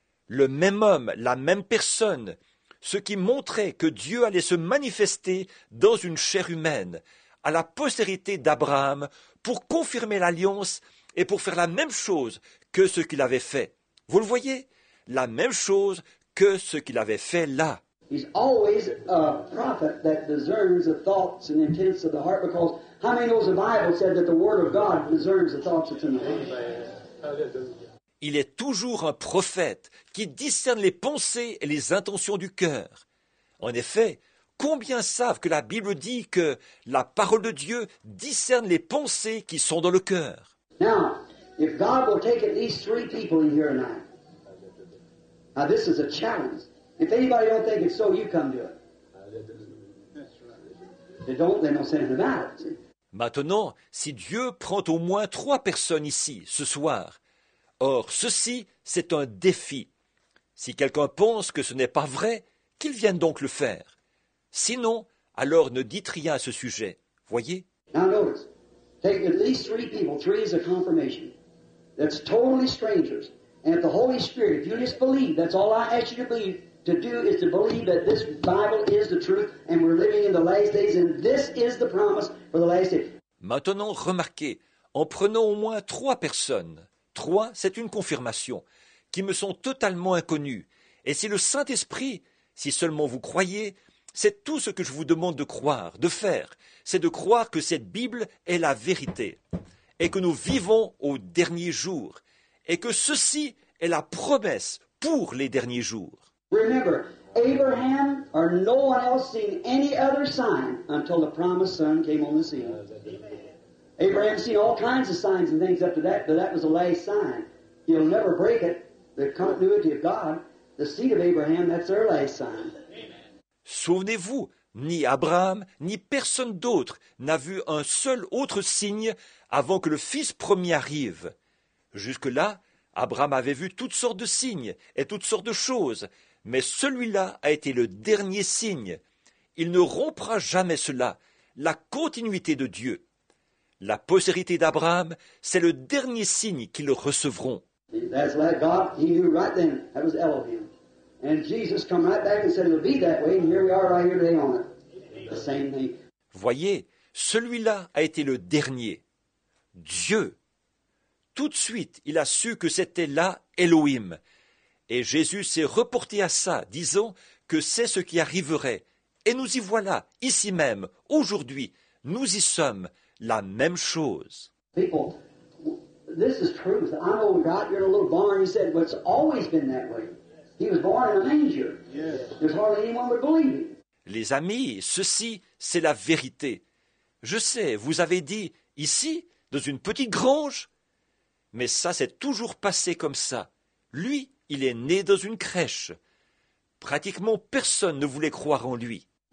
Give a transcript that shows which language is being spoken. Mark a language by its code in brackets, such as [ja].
[fr] Le même homme, la même personne, ce qui montrait que Dieu allait se manifester dans une chair humaine, à la postérité d'Abraham, pour confirmer l'alliance et pour faire la même chose que ce qu'il avait fait. Vous le voyez? La même chose que ce qu'il avait fait là. [en] He's always a prophet that discerns the thoughts and intents of the heart, because how many knows the Bible said that the word of God discerns the thoughts that's in the heart? [fr] Il est toujours un prophète qui discerne les pensées et les intentions du cœur. En effet, combien savent que la Bible dit que la parole de Dieu discerne les pensées qui sont dans le cœur? [en] Now, if God will take at least three people in here tonight, now this is a challenge. If anybody don't think it's so, you come do it. They don't, they don't say anything about it. [fr] Maintenant, si Dieu prend au moins trois personnes ici ce soir, or, ceci, c'est un défi. Si quelqu'un pense que ce n'est pas vrai, qu'il vienne donc le faire. Sinon, alors ne dites rien à ce sujet. Voyez? [en] Now notice, take at least three people, three is a confirmation. That's totally strangers. And if the Holy Spirit, if you just believe, that's all I ask you to believe, to do is to believe that this Bible is the truth and we're living in the last days and this is the promise for the last days. [fr] Maintenant, remarquez, en prenant au moins trois personnes, trois, c'est une confirmation, qui me sont totalement inconnues. Et si le Saint-Esprit, si seulement vous croyez, c'est tout ce que je vous demande de croire, de faire, c'est de croire que cette Bible est la vérité, et que nous vivons au dernier jour, et que ceci est la promesse pour les derniers jours. [en] Remember, Abraham or no one else seen any other sign until the promised son came on the scene. Amen. Abraham seen all kinds of signs and things up to that, but that was the last sign. You'll never break it. The continuity of God, the seed of Abraham, that's their last sign. Amen. [fr] Souvenez-vous, ni Abraham, ni personne d'autre n'a vu un seul autre signe avant que le fils premier arrive. Jusque-là, Abraham avait vu toutes sortes de signes et toutes sortes de choses, mais celui-là a été le dernier signe. Il ne rompra jamais cela, la continuité de Dieu. La postérité d'Abraham, c'est le dernier signe qu'ils recevront. [en] That's like God, he knew right then, that was Elohim. And Jesus come right back and said, it'll be that way, and here we are right here today on it. The same thing. [fr] Voyez, celui-là a été le dernier. Dieu. Tout de suite, il a su que c'était là Elohim. Et Jésus s'est reporté à ça, disant que c'est ce qui arriverait. Et nous y voilà, ici même, aujourd'hui, nous y sommes, la même chose. [en] People, this is truth. I know we got here in a little barn, he said, but it's always been that way. He was born in a manger. There's hardly anyone would believe it. [fr] Les amis, ceci, c'est la vérité. Je sais, vous avez dit, ici, dans une petite grange. Mais ça s'est toujours passé comme ça. Lui, il est né dans une crèche. Pratiquement personne ne voulait croire en lui.